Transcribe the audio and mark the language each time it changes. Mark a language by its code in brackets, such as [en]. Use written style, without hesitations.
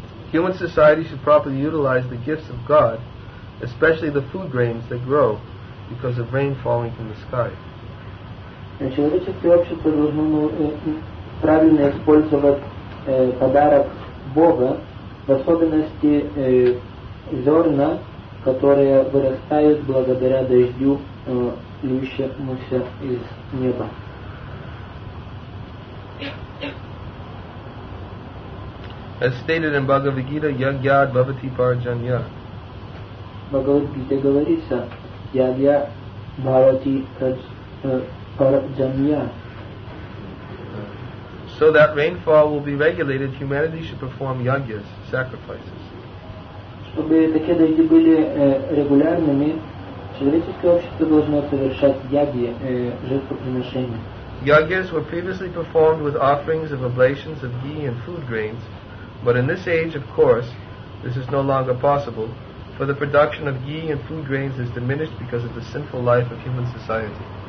[en] Human society should properly utilize the gifts of God, especially the food grains that grow because of rain falling from the sky. [ru] Человеческое общество должно правильно использовать подарок Бога, в особенности зерна, которые вырастают благодаря дождю, льющемуся из неба. [en] As stated in Bhagavad Gita, [sa] Yagyad Bhavati Parjanya. [ru] Bhagavad Gita говорится, [sa] Yagya Bhavati Parjanya. [en] So that rainfall will be regulated, humanity should perform yagyas, sacrifices. [ru] Чтобы такие дожди были регулярными, человеческое общество должно совершать ягья, жертвоприношения. [en] Yagyas were previously performed with offerings of oblations of ghee and food grains. But in this age, of course, this is no longer possible, for the production of ghee and food grains is diminished because of the sinful life of human society.